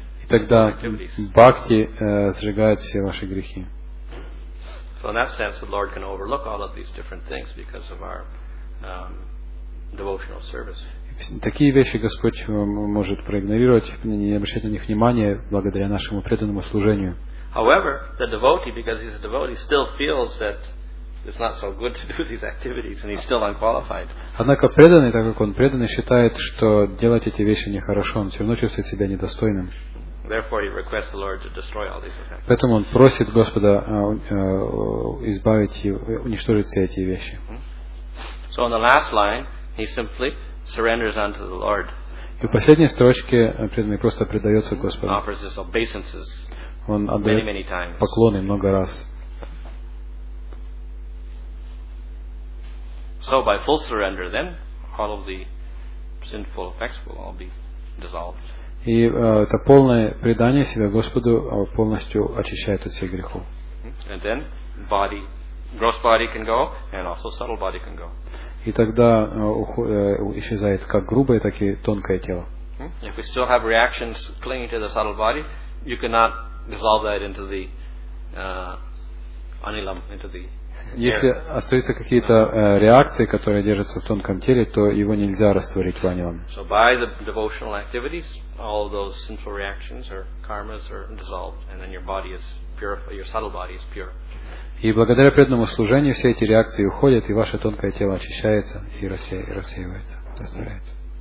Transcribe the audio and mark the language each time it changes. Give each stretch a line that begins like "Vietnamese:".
Russian: И тогда бхакти сжигает все ваши грехи.
English: So in that sense, the Lord can overlook all of these different things because of our devotional service.
Russian: Такие вещи Господь может проигнорировать, не обращать на них внимания, благодаря нашему преданному служению.
English: However, the devotee, because he's a devotee, still feels that it's not so good to do these activities, and he's still unqualified.
Russian: Однако преданный, так как он преданный, считает, что делать эти вещи нехорошо, он все равно чувствует себя недостойным.
English: Therefore, he requests the Lord to destroy all these things.
Russian: Поэтому он просит Господа избавить его, уничтожить все эти вещи.
English: So in the last line, he simply surrenders unto the Lord.
Russian: И в последней строчке преданный просто предается Господу.
English: Offers his obeisances.
Russian: Он отдает поклоны много раз.
English: So by full surrender, then all of the sinful effects will all be dissolved.
Russian: И это полное предание себя Господу полностью очищает от всех грехов.
English: And then body. Gross body can go, and also subtle body can go.
Russian: И тогда исчезает как грубое, так и тонкое тело.
English: If we still have reactions clinging to the subtle body, you cannot dissolve that into the anilam, into the air.
Russian: Если остаются какие-то реакции, которые держатся в тонком теле, то его нельзя растворить в анилам.
English: So by the devotional activities, all of those sinful reactions or karmas are dissolved, and then your body is pure, your subtle body is pure.
Russian: И благодаря преданному служению все эти реакции уходят, и ваше тонкое тело очищается и рассеивается, растворяется.